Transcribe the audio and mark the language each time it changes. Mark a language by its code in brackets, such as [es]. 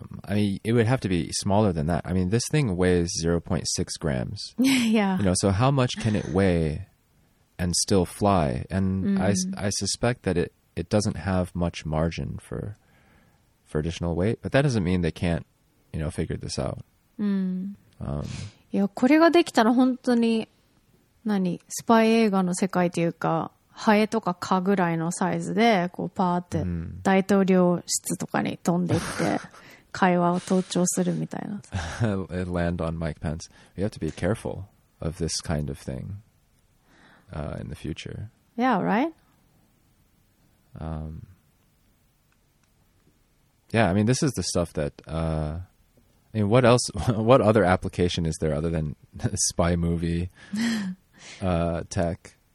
[en] It would have to be smaller than that. I mean, this thing weighs 0.6 grams. Yeah. You know, so how much can it weigh and still fly? And I suspect that it doesn't have much margin for additional weight, but that doesn't mean they can't, you know, figure this out. [ja] いや、これができたら本当に何スパイ映画の世界というか、ハエとか蚊ぐらいのサイズでこうパーって大統領室とかに飛んでいって会話を盗聴するみたいな。 [en] It land on Mike Pence. We have to be careful of this kind of thing in the future. Yeah, right? Yeah, I mean, this is the stuff that... I mean, what else... What other application is there other than spy movie tech?